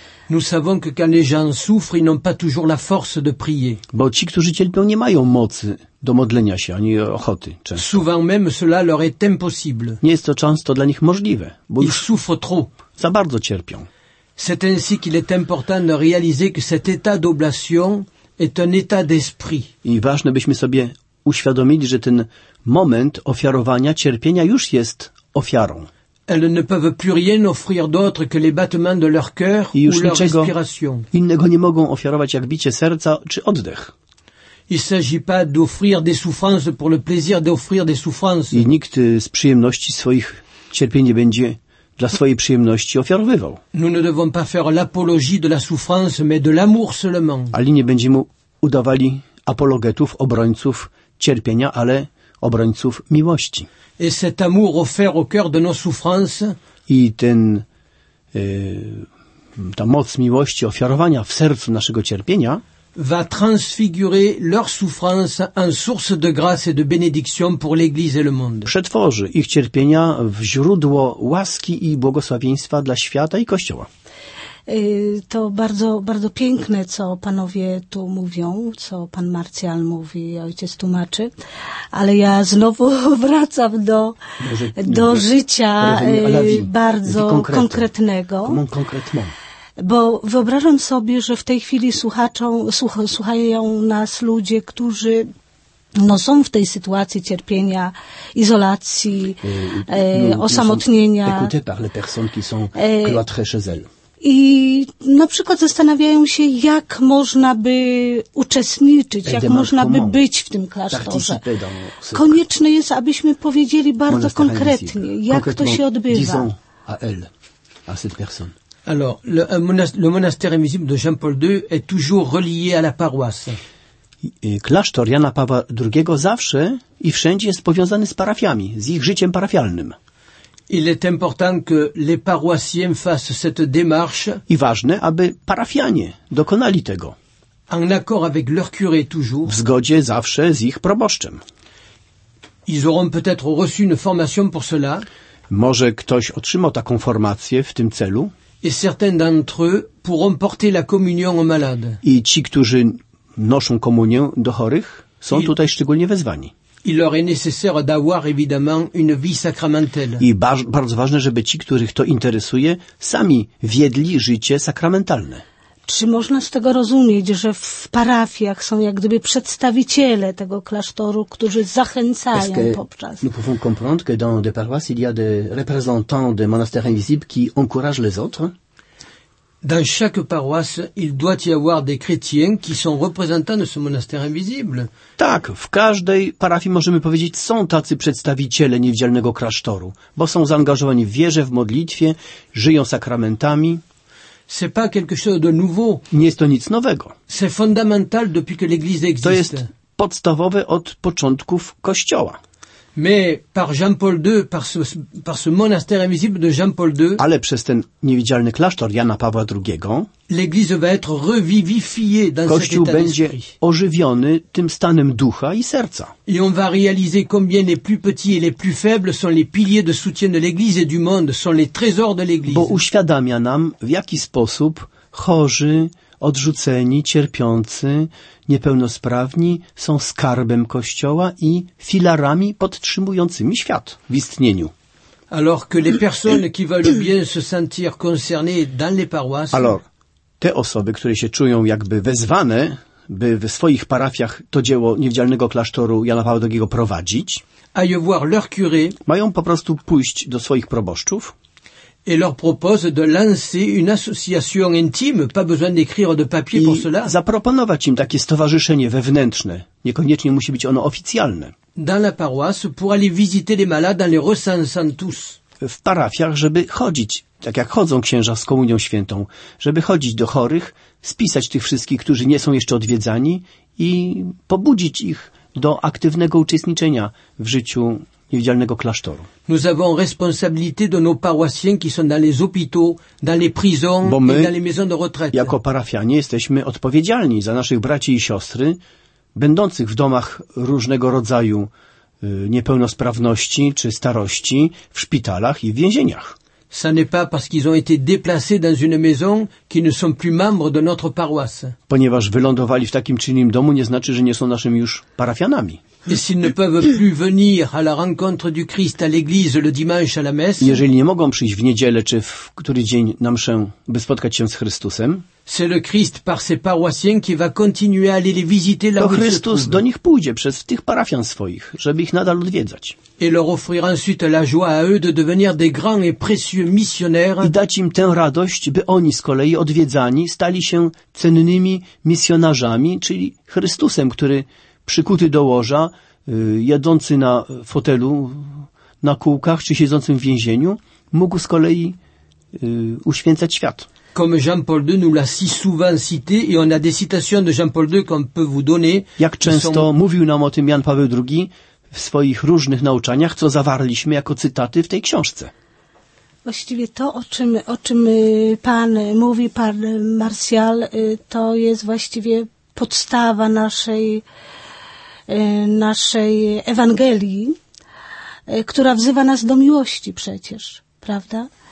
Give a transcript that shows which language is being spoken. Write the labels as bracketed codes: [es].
[fr] Nous savons que quand les gens souffrent, ils n'ont pas toujours la force de prier. [pl] Bo ci, którzy cierpią, nie mają mocy do modlenia się ani ochoty często. [fr] Souvent même cela leur est impossible. [pl] Nie jest to często dla nich możliwe, bo [fr] ils souffrent trop. [pl] Za bardzo cierpią. [fr] C'est ainsi qu'il est important de réaliser que cet état d'oblation est un état d'esprit. [pl] I ważne, byśmy sobie uświadomili, że ten moment ofiarowania cierpienia już jest ofiarą. [fr] Elles ne peuvent plus rien offrir d'autre que les battements de leur cœur ou leur respiration. [pl] Innego nie mogą ofiarować jak bicie serca czy oddech. [fr] Il s'agit pas d'offrir des souffrances pour le plaisir d'offrir des souffrances. [pl] I nikt z przyjemności swoich cierpień nie będzie dla swojej przyjemności ofiarowywał. [fr] Nous ne devons pas faire l'apologie de la souffrance, mais de l'amour seulement. [pl] Ale nie będziemy udawali apologetów, obrońców cierpienia, ale obrońców miłości. [fr] Et cet amour offert au cœur de nos souffrances. [pl] I ten, ta moc miłości ofiarowania w sercu naszego cierpienia [fr] va transfigurer leur souffrance en source de grâce et de bénédiction pour l'Église et le monde. [pl] Przetworzy ich cierpienia w źródło łaski i błogosławieństwa dla świata i Kościoła. To bardzo, bardzo piękne, co panowie tu mówią, co pan Marcjal mówi, ojciec tłumaczy, ale ja znowu wracam do życia bardzo konkretnego. Bo wyobrażam sobie, że w tej chwili słuchają nas ludzie, którzy no są w tej sytuacji cierpienia, izolacji, osamotnienia. [fr] Écoutez par les personnes qui sont cloîtrées chez elles. [pl] I na przykład zastanawiają się, jak można by uczestniczyć, jak można by być w tym klasztorze. Konieczne jest, abyśmy powiedzieli bardzo konkretnie, jak to się odbywa. [fr] À elle, à cette personne. Alors, le monastère invisible de Jean-Paul II est toujours relié à la paroisse. [pl] Klasztor Jana Pawła II zawsze i wszędzie jest powiązany z parafiami, z ich życiem parafialnym. [fr] Il est important que les paroissiens fassent cette démarche. [pl] I ważne, aby parafianie dokonali tego. [fr] En accord avec leur curé toujours. [pl] W zgodzie zawsze z ich proboszczem. [fr] Ils auront peut-être reçu une formation pour cela. [pl] Może ktoś otrzymał taką formację w tym celu. [fr] Et certains d'entre eux pourront porter la communion aux malades. [pl] I ci, którzy noszą komunię do chorych, są tutaj szczególnie wezwani. [fr] Il leur est nécessaire d'avoir évidemment une vie sacramentelle. [pl] I bardzo ważne, żeby ci, których to interesuje, sami wiedli życie sakramentalne. Czy można z tego rozumieć, że w parafiach są jak gdyby przedstawiciele tego klasztoru, którzy zachęcają poprzez? [fr] Nous pouvons comprendre que dans des paroisses, il y a des représentants des monastères invisibles qui encouragent les autres. Dans chaque paroisse, il doit y avoir des chrétiens qui sont représentants de ce monastère invisible. [pl] Tak, w każdej parafii możemy powiedzieć, są tacy przedstawiciele niewidzialnego klasztoru, bo są zaangażowani w wierze, w modlitwie, żyją sakramentami. [fr] C'est pas quelque chose de nouveau. [pl] Nie jest to nic nowego. [fr] C'est fondamental depuis que l'église existe. [pl] To jest podstawowe od początków Kościoła. [fr] Mais par Jean-Paul II, par ce monastère invisible de Jean-Paul II. [pl] Ale przez ten niewidzialny klasztor Jana Pawła II. [fr] L'église va être revivifiée dans cet état d'esprit. [pl] Kościół będzie ożywiony tym stanem ducha i serca. [fr] Et on va réaliser combien les plus petits et les plus faibles sont les piliers de soutien de l'église et du monde, sont les trésors de l'église. [pl] Bo uświadamia nam, w jaki sposób chorzy, odrzuceni, cierpiący, niepełnosprawni są skarbem Kościoła i filarami podtrzymującymi świat w istnieniu. [fr] Alors que les personnes qui veulent bien se sentir concernées dans les paroisses. Alors, [pl] te osoby, które się czują jakby wezwane, by w swoich parafiach to dzieło niewidzialnego klasztoru Jana Pawła II prowadzić, [fr] aille voir leur curé, [pl] mają po prostu pójść do swoich proboszczów. [fr] Et leur propose de lancer une association intime, pas besoin d'écrire de papier pour cela. [pl] Zaproponować im takie stowarzyszenie wewnętrzne, niekoniecznie musi być ono oficjalne. [fr] Dans la paroisse, pour aller visiter les malades en les recensant tous. [pl] W parafiach, żeby chodzić, tak jak chodzą księża z Komunią Świętą, żeby chodzić do chorych, spisać tych wszystkich, którzy nie są jeszcze odwiedzani i pobudzić ich do aktywnego uczestniczenia w życiu niewidzialnego klasztoru. [fr] Nous avons responsabilité de nos paroissiens qui sont dans les hôpitaux, dans les prisons et dans les maisons de retraite. [pl] Jako parafianie jesteśmy odpowiedzialni za naszych braci i siostry, będących w domach różnego rodzaju niepełnosprawności czy starości, w szpitalach i w więzieniach. [fr] Ça n'est pas parce qu'ils ont été déplacés dans une maison qu'ils ne sont plus membres de notre paroisse. [pl] Ponieważ wylądowali w takim czy innym domu, nie znaczy, że nie są naszymi już parafianami. [fr] Et s'ils ne peuvent plus venir à la rencontre du Christ à l'église le dimanche à la messe. [pl] Jeżeli nie mogą przyjść w niedzielę czy w który dzień na mszę, by spotkać się z Chrystusem. [fr] C'est le Christ par ses paroissiens qui va continuer à aller les visiter là où ils se trouvent. [pl] Do nich pójdzie przez tych parafian swoich, żeby ich nadal odwiedzać. [fr] Et leur offrir ensuite la joie à eux de devenir des grands et précieux missionnaires. [pl] I dać im tę radość, by oni z kolei odwiedzani stali się cennymi misjonarzami, czyli Chrystusem, który przykuty do łoża, jadący na fotelu, na kółkach, czy siedzącym w więzieniu, mógł z kolei uświęcać świat. [fr] Comme Jean-Paul II nous l'a si souvent cité, et on a des citations de Jean-Paul II qu'on peut vous donner. [pl] Jak często mówił nam o tym Jan Paweł II w swoich różnych nauczaniach, co zawarliśmy jako cytaty w tej książce. Właściwie to, o czym pan mówi, pan Martial, to jest właściwie podstawa naszej Ewangelii, która wzywa nas do miłości przecież, prawda?